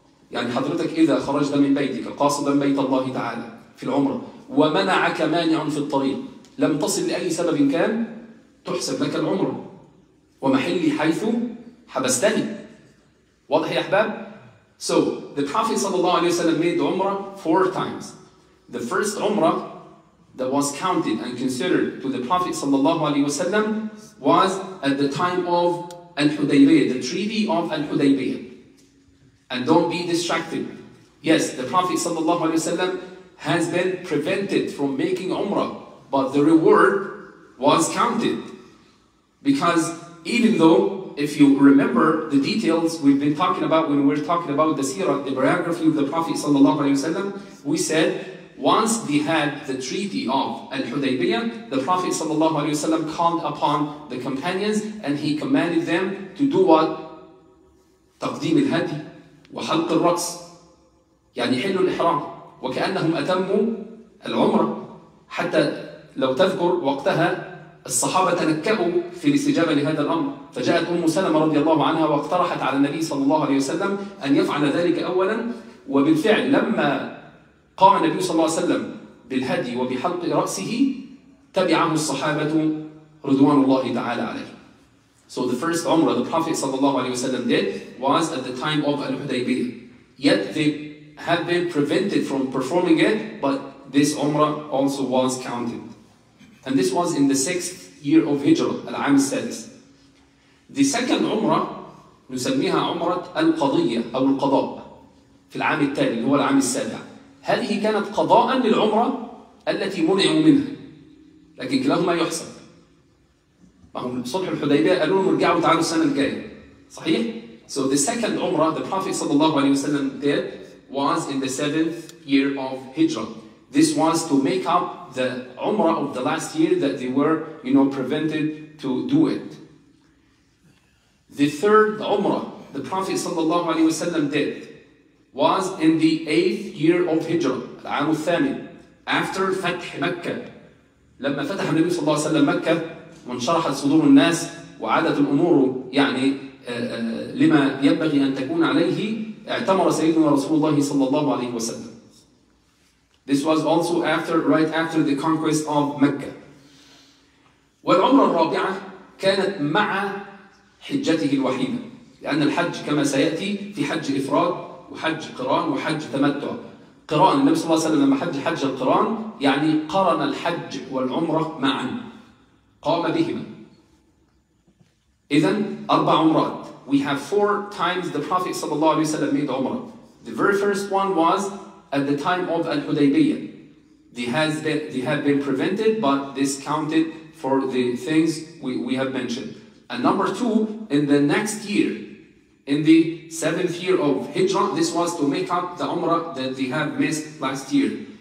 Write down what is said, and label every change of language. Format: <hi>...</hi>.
<ar>يعني حضرتك إذا خرجت من بيتك قاصدا بيت الله تعالى في العمرة ومنعك مانع في الطريق لم تصل لأي سبب كان، تحسب لك العمرة ومحلي حيث حبستني. واضح يا أحباب؟</ar> <en>So the Prophet صلى الله عليه وسلم made عمرة four times. The first عمرة that was counted and considered to the Prophet sallallahu alaihi wasallam was at the time of Al-Hudaybiyah, the treaty of Al-Hudaybiyah. And don't be distracted. Yes, the Prophet sallallahu alaihi wasallam has been prevented from making Umrah, but the reward was counted. Because even though, if you remember the details we've been talking about when we're talking about the seerah, the biography of the Prophet sallallahu alaihi wasallam, we said once they had the treaty of Al-Hudaybiyah, the Prophet ﷺ called upon the companions and he commanded them to do what?</en> <ar>تقديم الهدي وحلق الرأس، يعني حلوا الإحرام وكأنهم أتموا العمرة. حتى لو تذكر وقتها الصحابة تنكأوا في الاستجابة لهذا الأمر، فجاءت أم سلمة رضي الله عنها واقترحت على النبي صلى الله عليه وسلم أن يفعل ذلك أولا. وبالفعل لما قام النبي صلى الله عليه وسلم بالهدي وبحلق رأسه تبعه الصحابة رضوان الله تعالى عليه.</ar> <en>So the first umrah the Prophet صلى الله عليه وسلم did was at the time of Al-Hudaybiyah. Yet they have been prevented from performing it, but this umrah also was counted. And this was in the 6th year of Hijrah,</en> <ar>العام السادس.</ar> <en>The second umrah</en> <ar>نسميها عمرة القضية أو القضاء في العام التالي هو العام السابع. هذه كانت قضاء للعمرة التي منعوا منها، لكن كلاهما يحسب. فهم صلح الحديبية قالوا لهم ارجعوا تعالوا السنة الجاية، صحيح؟</ar> <en>So the second umrah the Prophet صلى الله عليه وسلم did was in the 7th year of Hijrah. This was to make up the umrah of the last year that they were, you know, prevented to do it. The third umrah the Prophet صلى الله عليه وسلم did was in the 8th year of Hijrah,</en> <ar>العام الثامن,</ar> <en>after فتح مكة.</en> <ar>لما فتح النبي صلى الله عليه وسلم مكة وانشرحت صدور الناس وعادت الأمور يعني لما ينبغي أن تكون عليه، اعتمر سيدنا رسول الله صلى الله عليه وسلم.</ar> <en>This was also after, right after the conquest of Mecca.</en> <ar>والعمرة الرابعة كانت مع حجته الوحيدة، لأن الحج كما سيأتي في حج إفراد وحج قران وحج تمتع. قران، النبي صلى الله عليه وسلم لما حج حج القران يعني قرن الحج والعمرة معا، قام بهما. إذن أربع عمرات.</ar> <en>We have four times the Prophet صلى الله عليه وسلم made عمرة. The very first one was at the time of Al-Hudaybiyah. They have been prevented, but this counted for the things we have mentioned. And number two, in the next year, in the seventh year of Hijrah, this was to make up the Umrah that they have missed last year.</en>